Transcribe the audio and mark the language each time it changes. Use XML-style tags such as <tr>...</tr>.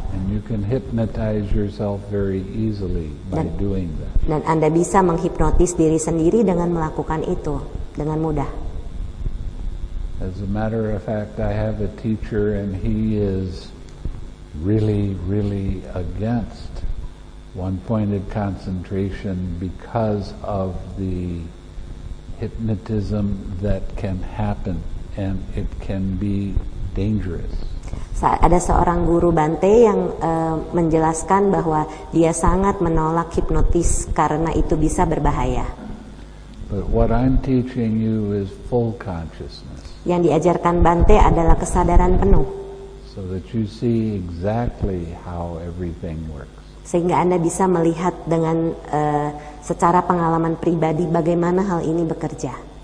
<en>And you can hypnotize yourself very easily by doing that.</en> <id>Dan Anda bisa menghipnotis diri sendiri dengan melakukan itu dengan mudah.</id> <en>As a matter of fact, I have a teacher and he is really, really against one-pointed concentration because of the hypnotism that can happen and it can be dangerous.</en> <id>Ada seorang guru Bante yang menjelaskan bahwa dia sangat menolak hipnotis karena itu bisa berbahaya.</id> <en>But what I'm teaching you is full consciousness.</en> <id>Yang diajarkan Bante adalah kesadaran penuh.</id> <en>So that you see exactly how everything works.</en> <id>Sehingga Anda bisa melihat dengan secara pengalaman pribadi bagaimana hal ini bekerja.</id>